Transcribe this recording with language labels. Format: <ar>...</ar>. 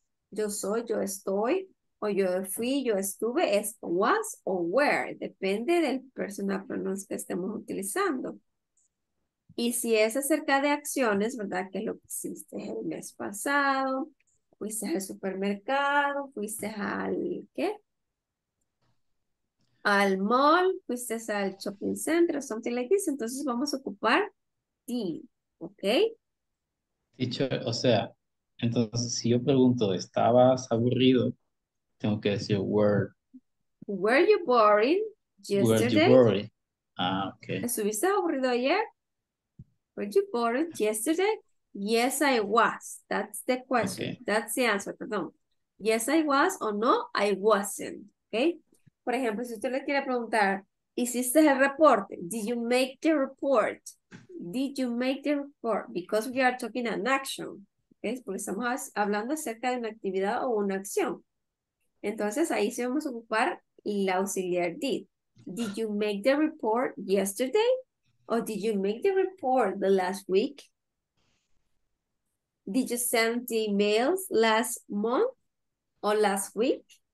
<es>Yo soy, yo estoy, o yo fui, yo estuve, es was o were. Depende del personal pronouns que estemos utilizando. Y si es acerca de acciones, ¿verdad? Que lo hiciste el mes pasado, fuiste al supermercado, fuiste al, ¿qué? Al mall, fuiste al shopping center,</es> <en>something like this.</en> <es>Entonces vamos a ocupar did, ¿ok? Dicho, o sea, entonces si yo pregunto, ¿estabas aburrido? Tengo que decir,</es> <en>Were you boring yesterday? Were you boring? Ah, ok.</en> <es>¿Estuviste aburrido ayer?</es> <en>Were you bored yesterday? Yes, I was. That's the question. Okay. That's the answer, perdón. Yes, I was,</en> <es>o no,</es> <en>I wasn't. Okay?</en> <es>Por ejemplo, si usted le quiere preguntar, ¿hiciste el reporte?</es> <en>Did you make the report? Did you make the report? Because we are talking an action. Okay?</en> <es>Porque estamos hablando acerca de una actividad o una acción. Entonces, ahí sí vamos a ocupar el auxiliar did.</es> <en>Did you make the report yesterday? Or did you make the report the last week? Did you send the emails last month or last week?</en>